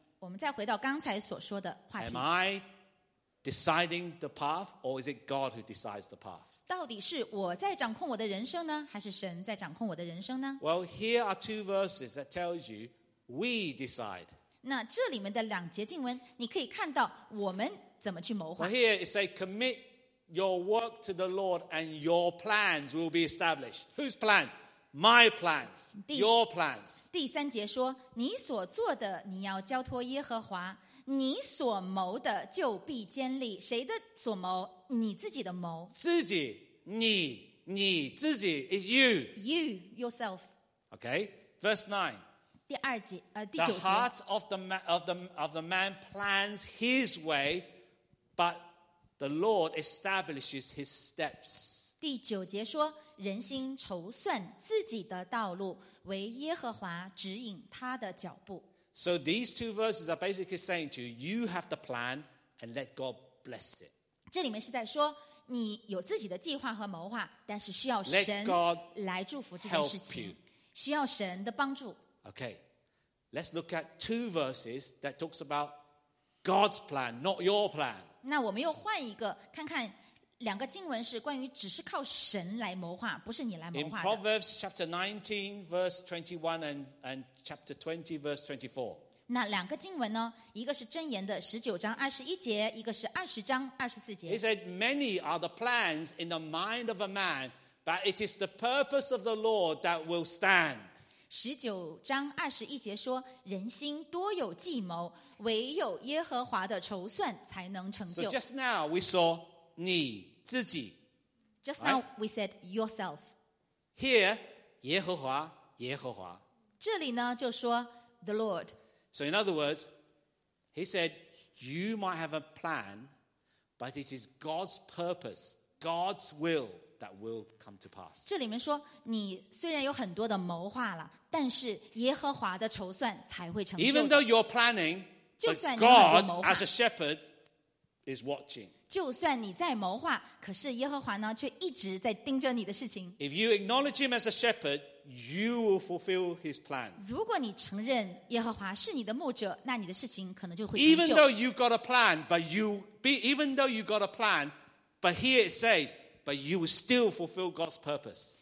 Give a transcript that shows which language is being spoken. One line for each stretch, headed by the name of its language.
Chinese: 我们再回到刚才所说的话题。
English: Am I deciding the path, or is it God who decides the path?
Chinese: 到底是我在掌控我的人生呢，还是神在掌控我的人生呢？
English: Well, here are two verses that tells you we decide.
Chinese: 那这里面的两节经文，你可以看到我们怎么去谋划。
English: Well, here it says, "Commit your work to the Lord, and your plans will be established." Whose plans? My plans, your plans.
Chinese: 第三节说，你所做的你要交托耶和华，你所谋的就必坚立。谁的所谋？你自己的谋。自己，你自己
English: is you. You yourself. Okay, verse 9.
Chinese: 第二节，第九节。
English: The heart of the man plans his way, but the Lord establishes his steps.
Chinese: 第九节说人心筹算自己的道路为耶和华指引他的脚步
English: So these two verses are basically saying to you you have the plan and let God bless it
Chinese: 这里面是在说你有自己的计划和谋划但是需要神来祝福这件事情需要神的帮助
English: Okay let's look at two verses that talks about God's plan not your plan
Chinese: 那我们又换一个看看两个经文是关于只是靠神来谋划，不是你来谋划的。
English: In Proverbs chapter 19, verse 21 and chapter 20, verse 24.
Chinese: 那两个经文呢？一个是箴言的十九章二十一节，一个是二十章二十四节。
English: He said, "Many are the plans in the mind of a man, but it is the purpose of the Lord that will stand."
Chinese: 十九章二十一节说：“人心多有计谋，唯有耶和华的筹算才能成就。”
English: So just now we saw.
Chinese: 你自己
English: Just now we said yourself Here,
Chinese: 耶和华，耶和华。这里呢，就说
English: the Lord. So in other words, he said, you might have a plan, but it is God's purpose, God's will that will come to pass.
Chinese: 这里面说，你虽然有很多的谋划了，但是耶和华的筹算才会成就。
English: Even though you're planning, but God as a shepherd is watching.
Chinese: 就算你在谋划，可是耶和华呢，却一直在盯着你的事情。
English: If you acknowledge him as a shepherd, you will fulfill his plans.
Chinese: 如果你承认耶和华是你的牧者，那你的事情可能就会成就。
English: Even though you got a plan, but you be, even though you got a plan, but here it says, but you will still fulfill God's purpose.